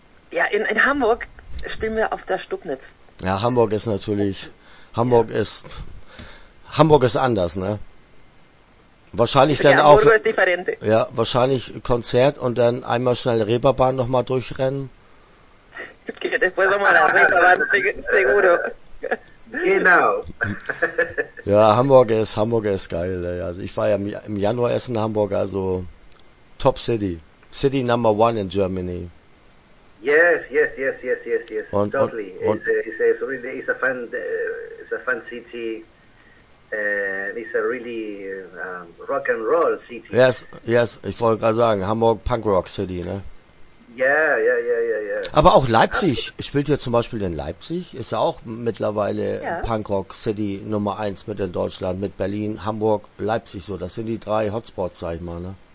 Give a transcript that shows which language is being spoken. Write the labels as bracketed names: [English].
[German] Ja, in Hamburg spielen wir auf der Stubnitz. Ja, Hamburg ist natürlich. Hamburg ist anders, ne? Wahrscheinlich dann auch. Hamburg ist different. Ja, wahrscheinlich Konzert und dann einmal schnell Reeperbahn nochmal durchrennen. [Spanish] Después vamos a la Reeperbahn, seguro. [German] Genau. Ja, Hamburg ist geil. Also ich war ja im Januar erst in Hamburg, also Top City. [English] City number one in Germany. Yes. [German] Und, [English] totally. [German] Und, [English] it's a fun city. It's a really rock and roll city. Yes. [German] Ich wollte gerade sagen, Hamburg Punk Rock City, ne? [English] Yeah. [German] Aber auch Leipzig. Spielt ihr zum Beispiel in Leipzig? Ist ja auch mittlerweile Punk Rock City Nummer 1 mit in Deutschland, mit Berlin, Hamburg, Leipzig. So, das sind die 3 Hotspots, sag ich mal, ne?